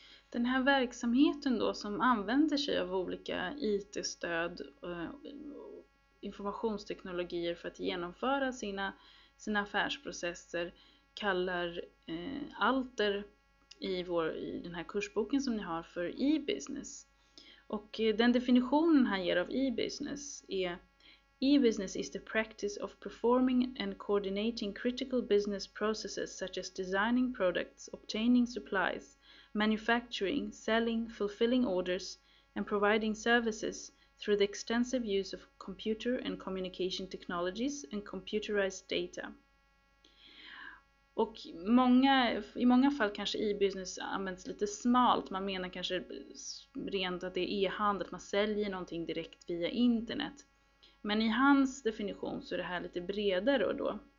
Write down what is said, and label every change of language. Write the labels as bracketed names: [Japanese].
[Swedish] Den här verksamheten då som använder sig av olika IT-stöd och informationsteknologier för att genomföra sina affärsprocesser kallar Alter i den här kursboken som ni har för e-business. Och den definitionen han ger av e-business är: [English] e-business is the practice of performing and coordinating critical business processes such as designing products, obtaining supplies, manufacturing, selling, fulfilling orders and providing services through the extensive use of computer and communication technologies and computerized data. [Swedish] Och i många fall kanske e-business används lite smalt. Man menar kanske rent att det är e-handel, att man säljer någonting direkt via internet. Men i hans definition så är det här lite bredare då.